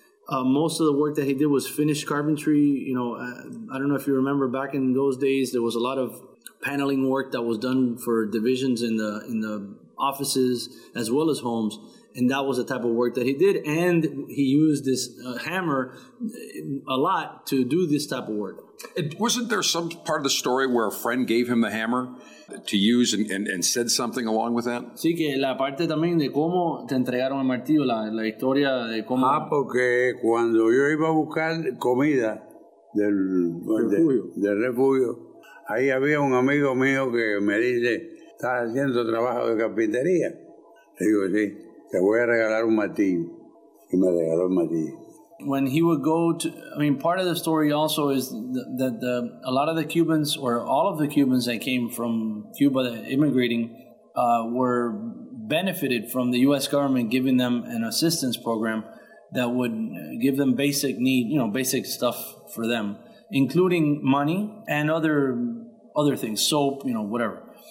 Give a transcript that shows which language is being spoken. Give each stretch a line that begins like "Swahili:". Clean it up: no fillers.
English: Most of the work that he did was finished carpentry. You know, I don't know if you remember back in those days, there was a lot of paneling work that was done for divisions in the offices as well as homes. And that was the type of work that he did. And he used this hammer a lot to do this type of work. Wasn't there some part of the story where a friend gave him the hammer to use and said something along with that?
Spanish: Sí, que la parte también de cómo te entregaron el martillo, la historia de cómo... Ah, porque cuando yo iba a buscar comida del refugio, ahí había un amigo mío que me dice, ¿estás haciendo trabajo de carpintería? Le digo, sí, te voy a regalar un martillo. Y me regaló el martillo.
English: When he would go to, I mean, part of the story also is that a lot of the Cubans, or all of the Cubans that came from Cuba immigrating, were benefited from the U.S. government giving them an assistance program that would give them basic need, you know, basic stuff for them, including money and other things, soap, you know, whatever.